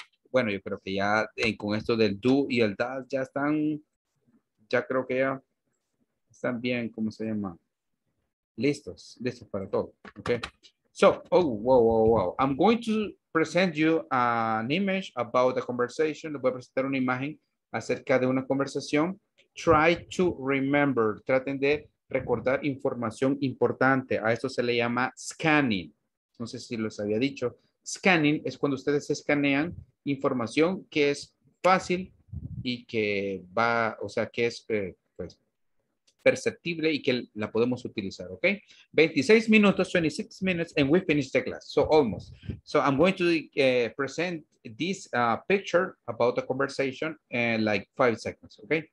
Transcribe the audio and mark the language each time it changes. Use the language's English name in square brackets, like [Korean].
[Spanish] Bueno, yo creo que ya con esto del do y el does ya están, ya creo que ya están bien, ¿cómo se llama? Listos para todo, ¿ok? [English] So, wow. I'm going to present you an image about the conversation. [Spanish] Les voy a presentar una imagen acerca de una conversación. [English] Try to remember, [Spanish] traten de recordar información importante. A esto se le llama scanning. No sé si los había dicho. Scanning es cuando ustedes escanean información que es fácil y que va, o sea, que es pues, perceptible y que la podemos utilizar, ¿ok? [English] 26 minutos, 26 minutes, and we finish the class, so almost. So I'm going to present this picture about the conversation in like 5 seconds, ¿ok?